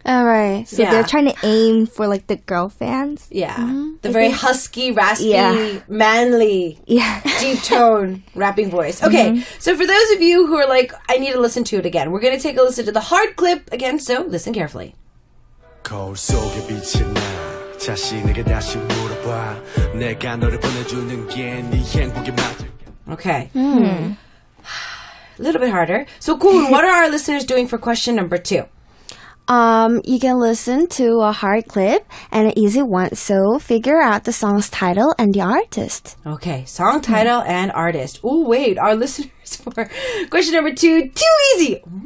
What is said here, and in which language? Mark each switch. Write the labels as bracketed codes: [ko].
[en] All right, so yeah. they're trying to aim for like the girl fans. Yeah. Mm-hmm. The very husky, raspy, yeah. manly, yeah. deep tone rapping voice. Okay. Mm-hmm. So for those of you who are like, I need to listen to it again, we're going to take a listen to the hard clip again, so listen carefully. [ko] 거울 속에 비친 나 자신에게 다시 물어봐 내가 너를 보내주는 게 네 행복이 맞을까. [en] Okay. A little bit harder. So, Kwon, what are our listeners doing for question number two? You can listen to a hard clip and an easy one. So, figure out the song's title and the artist. Okay. Song title and artist. Oh, wait. Our listeners for question number two, too easy.